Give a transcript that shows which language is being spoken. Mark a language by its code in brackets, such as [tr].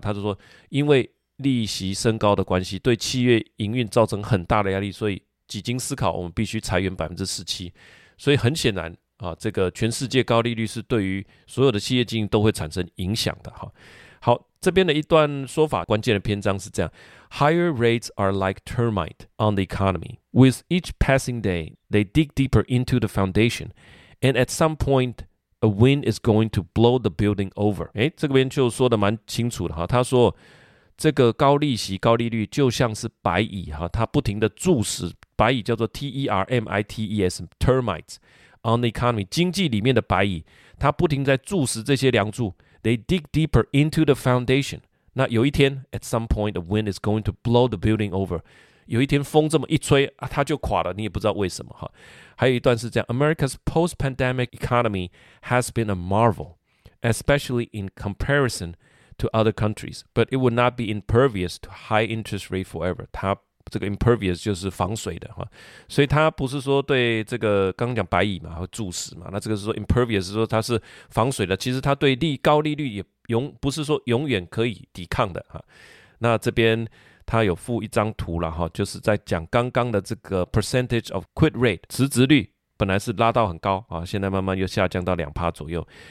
[zh] 他就说因为利息升高的关系对企业营运造成很大的压力，所以几经思考我们必须裁员 17%。所以很显然啊，这个全世界高利率是对于所有的企业经营都会产生影响的。好，这边的一段说法，关键的篇章是这样： [en] Higher rates are like termite on the economy. With each passing day, they dig deeper into the foundation. And at some point, a wind is going to blow the building over. [zh] 诶，这边就说的蛮清楚的，他说这个高利息高利率就像是白蚁，它不停的蛀蚀，白蚁叫做 termites, [en] termites on the economy, [zh] 经济里面的白蚁，它不停在蛀蚀这些梁柱。 [en] They dig deeper into the foundation. [zh] 那有一天 [en] at some point, the wind is going to blow the building over. [zh] 有一天风这么一吹、啊、它就垮了，你也不知道为什么。 [en] 还有一段是这样： America's post-pandemic economy has been a marvel, especially in comparison to other countries, but it would not be impervious to high interest rate forever. [zh] 它这个 impervious 就是防水的，所以它不是说对这个刚刚讲白蚁嘛，会蛀死嘛，那这个是说 impervious 是说它是防水的，其实它对利高利率也永不是说永远可以抵抗的。那这边它有附一张图啦，就是在讲刚刚的这个 [en] percentage of quit rate [zh] 辞职率，本来是拉到很高，现在慢慢又下降到 2% 左右。